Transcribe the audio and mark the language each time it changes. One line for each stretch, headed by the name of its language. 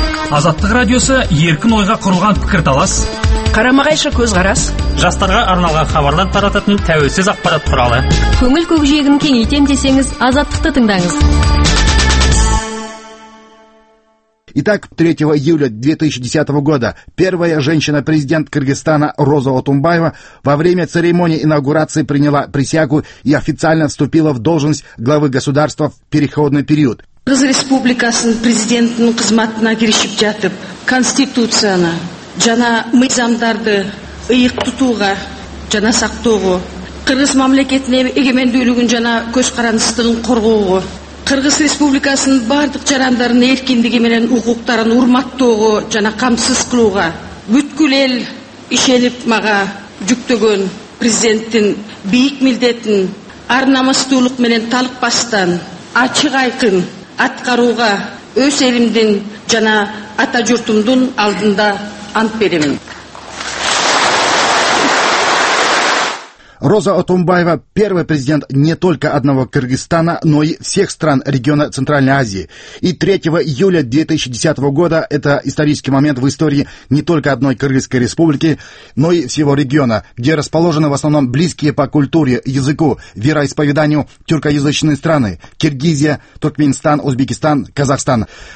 Kazakh: «Азаттық» радиосы еркін ойға құрылған пікірталас. Қарама-қайшы көзқарас. Жастарға арналған хабарлар тарататын тәуелсіз ақпарат құралы. Көңіл көкжиегін кеңейтем десеңіз, «Азаттықты» тыңдаңыз.
Russian: Итак, 3 июля 2010 года первая женщина-президент Кыргызстана Роза Отунбаева во время церемонии инаугурации приняла присягу и официально вступила в должность главы государства в переходный период.
Kyrgyz: Кыргыз Республикасын президентінің қызматына кірісіп жатып, конституцияны жана мыйзамдарды ыйық тутууга жана сактоого, кыргыз мамлекетине эгемендүүлүгүн жана көзкарандыстыгын коргоого, Кыргыз Республикасынын бардык жарандарын эркиндиги менен укуктарын урматтоого жана камсыз кылууга бүткүл эл ишенип мага жүктөгөн президенттин бийик милдетин ар намыстуулук менен талыкпастан ачык айкын аткарууга өз элимдин жана ата журтумдун алдында ант беремин.
Russian: Роза Отунбаева – первый президент не только одного Кыргызстана, но и всех стран региона Центральной Азии. И 3 июля 2010 года – это исторический момент в истории не только одной Кыргызской республики, но и всего региона, где расположены в основном близкие по культуре, языку, вероисповеданию тюркоязычные страны – Киргизия, Туркменистан, Узбекистан, Казахстан.